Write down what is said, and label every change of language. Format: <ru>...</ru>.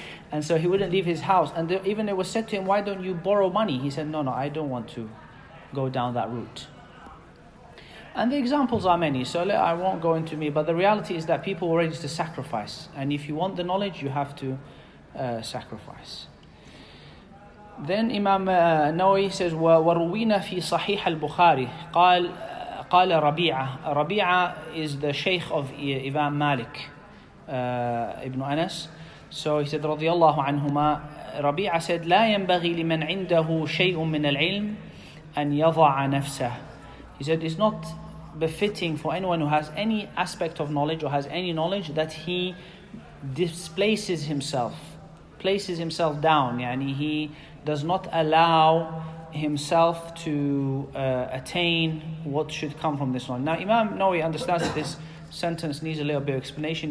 <en>And so he wouldn't leave his house. And even it was said to him, why don't you borrow money? He said, no, I don't want to go down that route. And the examples are many, so I won't go into me. But the reality is that people were ready to sacrifice. And if you want the knowledge, you have to sacrifice. Then Imam Nawawi says,</en> <ar>وَرُوِينَ فِي صَحِيحَ الْبُخَارِ قَالَ رَبِيعَ.</ar> <en>Rabi'a is the sheikh of Imam Malik ibn Anas. So he said,</en> <ar>رضي الله عنهما,</ar> <en>Rabi'a said,</en> <ar>لَا يَنْبَغِي لِمَنْ عِنْدَهُ شَيْءٌ مِّنَ الْعِلْمِ أَنْ يَضَعَ نَفْسَهُ.</ar> <en>He said, it's not befitting for anyone who has any aspect of knowledge or has any knowledge that he displaces himself, places himself down. Yani he does not allow himself to attain what should come from this knowledge. Now Imam Nawawi understands that this sentence needs a little bit of explanation.</en>